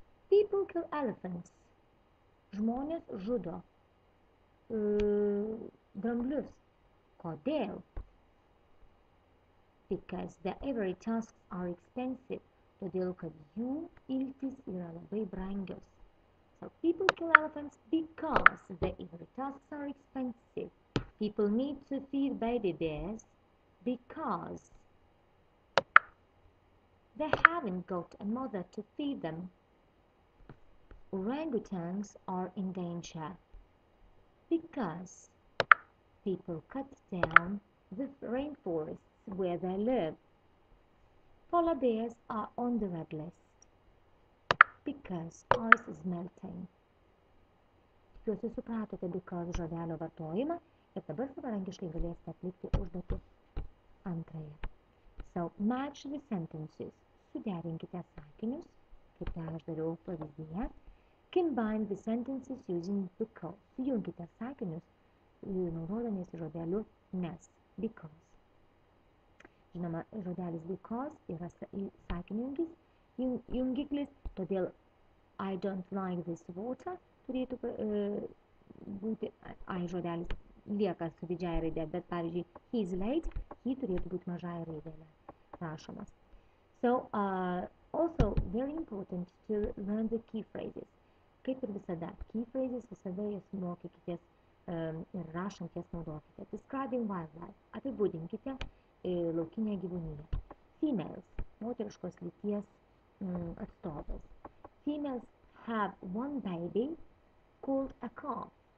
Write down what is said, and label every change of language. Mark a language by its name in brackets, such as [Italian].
[English] People kill elephants. [Lithuanian] Žmonės žudo dramblius. Kodėl? [English] Because the ivory tusks are expensive. [Lithuanian] Todėl, kad jų iltys yra labai brangios. [English] So, people kill elephants because the ivory tusks are expensive. People need to feed baby bears because they haven't got a mother to feed them. Orangutans are in danger because people cut down the rainforests where they live. Polar bears are on the red list because ice is melting. [Lithuanian] Jūs supratote because žodelio vartojimą ir dabar savarankiškai galėsite atlikti užduotį antrąją. [English] So, match the sentences. [Lithuanian] Suderinkite sakinius, kaip ten aš dariau pavyzdyje. [English] Combine the sentences using because. [Lithuanian] Jungite sakinius, naudodamiesi žodeliu nes, because. Žinoma, žodelis because yra sakinių jungiklis, todėl [English] I don't like this water [Lithuanian] turėtų būti, I žodelis lieka su didžiai raidė, bet pavyzdžiui, he's late, he turėtų būti mažai raidėlė rašomas. [English] So, also very important to learn the key phrases. [Lithuanian] Kaip ir visada, key phrases visada jas mokykitės ir rašant jas naudokite. [English] Describing wildlife. [Lithuanian] Apibūdinkite laukinę gyvūniją. [English] Females. [Lithuanian] Moteriškos lyties atstovas. [English] Females have one baby called a calf.